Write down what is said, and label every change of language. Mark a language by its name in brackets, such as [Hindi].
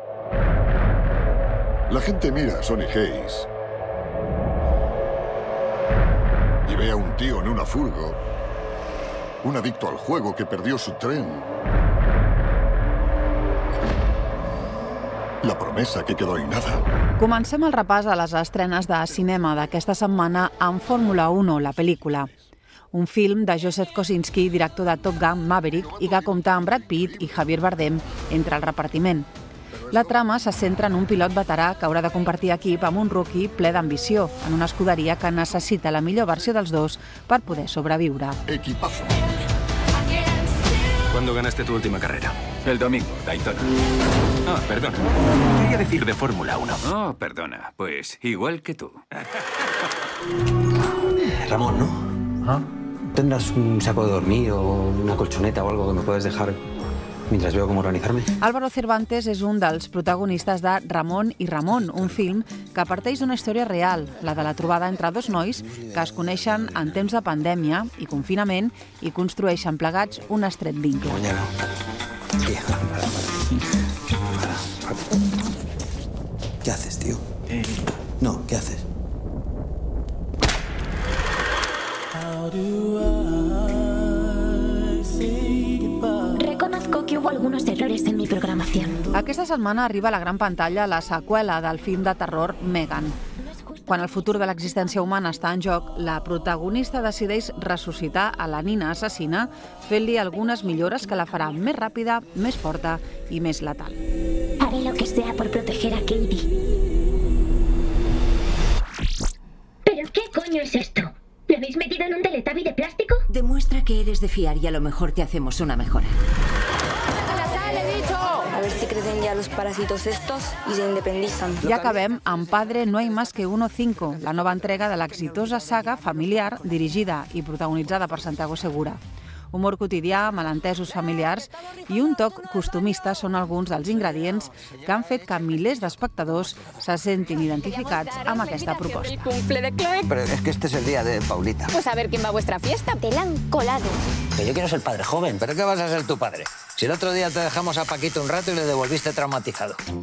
[Spanish] La gente mira a Sonny Hayes y ve a un tío en una furgo, un adicto al juego que perdió su tren, la promesa que quedó en nada. [Catalan] Comencem el repàs a les estrenes de cinema d'aquesta setmana amb Fórmula 1, la pel·lícula. Un film de Joseph Kosinski, director de Top Gun Maverick, i que compta amb Brad Pitt i Javier Bardem entre el repartiment. La trama se centra en un pilot veterà que haurà de compartir equip amb un rookie ple d'ambició, en una escuderia que necessita la millor versió dels dos per poder sobreviure. [Spanish] Equipazo. ¿Cuándo ganaste tu última carrera? El domingo, Daytona. Ah, oh, perdona. Quería decir de Fórmula 1. Oh, perdona. Pues igual que tú. Ramón, ¿no? ¿Ah? ¿Tendrás un saco de dormir o una colchoneta o algo que me puedas dejar mientras veo cómo organizarme? [Catalan] Álvaro Cervantes és un dels protagonistes de Ramón i Ramón, un film que parteix d'una història real, la de la trobada entre dos nois que es coneixen en temps de pandèmia i confinament i construeixen plegats un estret vincle. [Spanish] ¿Qué haces, tío? No, ¿qué haces? Reconozco que hubo algunos errores en mi programación. [Catalan] Aquesta setmana arriba a la gran pantalla la seqüela del film de terror Megan. Quan el futur de l'existència humana està en joc, la protagonista decideix ressuscitar a la nina assassina, fent-li algunes millores que la farà més ràpida, més forta i més letal. [Spanish] Haré lo que sea por proteger a Katie. ¿Pero qué coño es esto? ¿Me habéis metido en un Teletubby de plástico? Demuestra que eres de fiar y a lo mejor te hacemos una mejora. A ver si crecen ya los parásitos estos y se independizan. [Catalan] I acabem amb Padre no hay más que uno cinco, la nova entrega de l'exitosa saga familiar dirigida i protagonitzada per Santiago Segura. Humor quotidià, malentesos familiars i un toc costumista són alguns dels ingredients que han fet que milers d'espectadors se sentin identificats amb aquesta proposta. [Spanish] Pero es que este es el día de Paulita. Pues a ver quién va a vuestra fiesta. Te la han colado. Que yo quiero ser padre joven. ¿Pero qué vas a ser tu padre? Si el otro día te dejamos a Paquito un rato y le devolviste traumatizado.